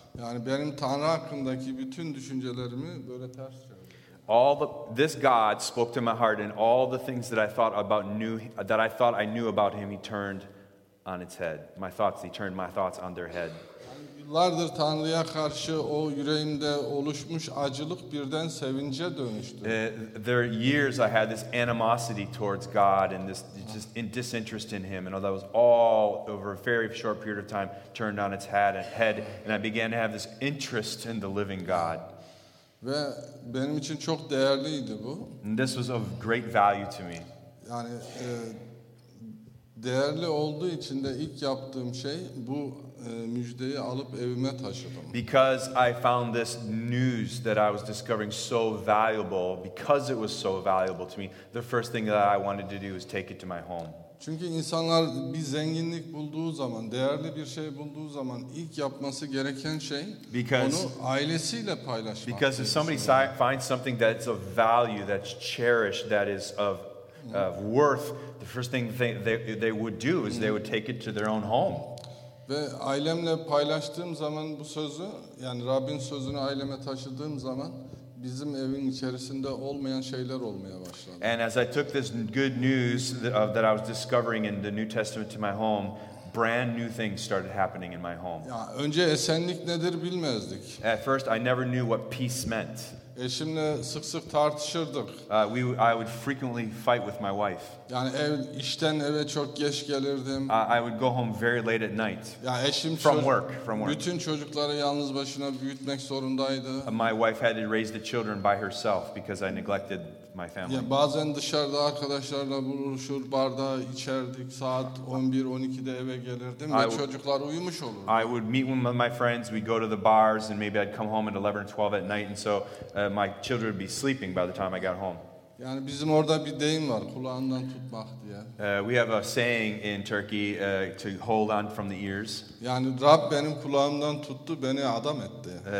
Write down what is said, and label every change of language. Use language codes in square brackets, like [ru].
[tr] Yani benim Tanrı hakkındaki bütün düşüncelerimi böyle ters çevirdi. [en] This God spoke to my heart, and all the things that I thought about that I thought I knew about Him, He turned on its head. He turned my thoughts on their head. [tr] Yıllardır Tanrı'ya karşı o yüreğimde oluşmuş acılık birden sevince dönüştü. [en] There are years I had this animosity towards God and this just in disinterest in Him, and all that was all over a very short period of time turned on its head, and I began to have this interest in the living God. [tr] Ve benim için çok değerliydi bu. [en] And this was of great value to me. [tr] Yani değerli olduğu için de ilk yaptığım şey bu müjdeyi alıp evime taşıdım. [en] Because I found this news that I was discovering so valuable, because it was so valuable to me, the first thing that I wanted to do was take it to my home. [tr] Çünkü insanlar bir zenginlik bulduğu zaman, değerli bir şey bulduğu zaman ilk yapması gereken şey [en] because, [tr] onu ailesiyle paylaşmak. [en] Because if somebody finds something that's of value, that's cherished, that is of worth, the first thing they would do is they would take it to their own home. [tr] Ve ailemle paylaştığım zaman bu sözü, yani Rabbin sözünü aileme taşıdığım zaman bizim evin içerisinde olmayan şeyler olmaya başladı. [en] And as I took this good news that I was discovering in the New Testament to my home, brand new things started happening in my home. [tr] Ya önce esenlik nedir bilmezdik. [en] At first I never knew what peace meant. [tr] Eşimle sık sık tartışırdık. [en] I would frequently fight with my wife. [tr] Yani işten eve çok geç gelirdim. [en] I would go home very late at night. [tr] Ya eşim [en] from work. [tr] Bütün çocukları yalnız başına büyütmek zorundaydı. [en] My wife had to raise the children by herself because I neglected my family. [tr] Ya bazen dışarıda arkadaşlarla buluşur, barda içerdik, saat 11 12'de eve gelirdim ve çocuklar uyumuş olurdu. [en] I would meet with my friends, we'd go to the bars and maybe I'd come home at 11 or 12 at night and so my children would be sleeping by the time I got home. [tr] Yani bizim orada bir deyim var, kulağından tutmak diye. [en] We have a saying in Turkey to hold on from the ears. [tr] Yani Rab benim kulağımdan tuttu, beni adam etti.